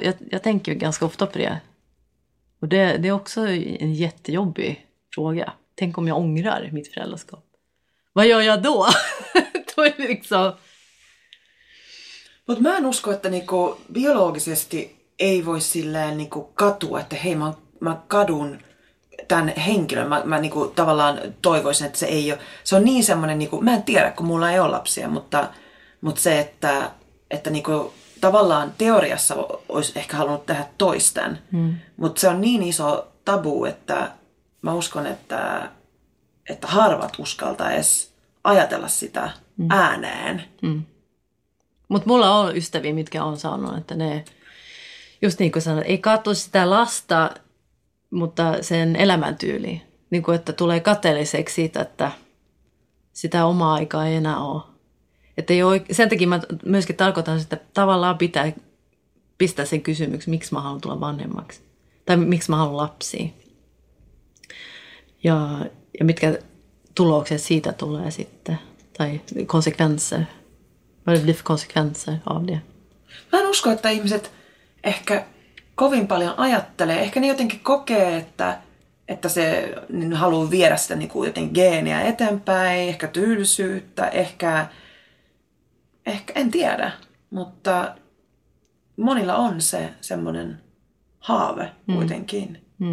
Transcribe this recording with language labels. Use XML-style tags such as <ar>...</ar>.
<sv>Jag tänker ganska ofta på det. Och det är också en jättejobbig fråga. Tänk om jag ångrar mitt föräldraskap. Vad gör jag då? Då är det liksom...</sv> <fi>Mutta mä en usko, että niinku biologisesti ei voi silleen niinku katua, että hei, mä kadun tämän henkilön. Mä niinku tavallaan toivoisin, että se ei ole... Se on niin semmoinen, niinku, mä en tiedä, kun mulla ei ole lapsia, mutta... Mutta se, että niinku, tavallaan teoriassa olisi ehkä halunnut tehdä toisten, mutta se on niin iso tabu, että mä uskon, että harvat uskaltaisi ajatella sitä ääneen. Mutta mulla on ystäviä, mitkä on sanonut, että ne, just niin kuin sanoit, ei katso sitä lasta, mutta sen elämäntyyli. Niin kuin, että tulee kateelliseksi siitä, että sitä omaa aikaa ei enää ole. Että sen takia mä myöskin tarkoitan, että tavallaan pitää pistää sen kysymyksen, miksi mä haluan tulla vanhemmaksi. Tai miksi mä haluan lapsia. Ja mitkä tulokset siitä tulee sitten. Tai konsekvenser.</fi> <sv>Vad är det för konsekvenser av det?</sv> <fi>Mä en usko, että ihmiset ehkä kovin paljon ajattelee. Ehkä ne jotenkin kokee, että se niin haluaa viedä sitä niin kuin jotenkin geeniä eteenpäin, ehkä tylsyyttä, ehkä en tiedä, mutta monilla on se semmoinen haave kuitenkin.</fi>